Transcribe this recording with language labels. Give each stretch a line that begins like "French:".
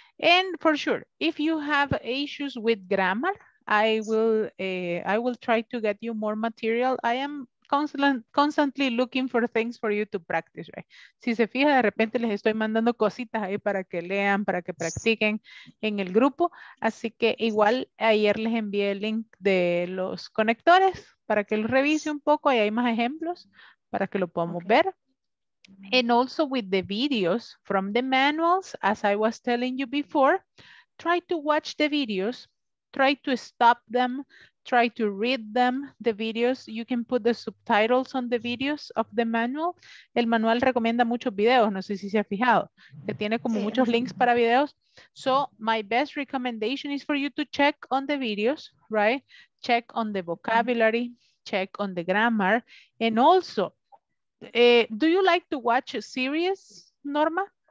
English: And for sure, if you have issues with grammar, I will try to get you more material. I am constantly looking for things for you to practice, right?
Spanish: Si se fija, de repente les estoy mandando cositas ahí para que lean, para que practiquen en el grupo. Así que igual ayer les envié el link de los conectores para que los revise un poco. Ahí hay más ejemplos para que lo podamos ver.
English: And also with the videos from the manuals, as I was telling you before, try to watch the videos, try to stop them, try to read them, the videos. You can put the subtitles on the videos of the manual.
Spanish: El manual recomienda muchos videos, no sé si se ha fijado, que tiene como muchos links para videos.
English: So my best recommendation is for you to check on the videos, right? Check on the vocabulary, check on the grammar. And also, do you like to watch a series, Norma?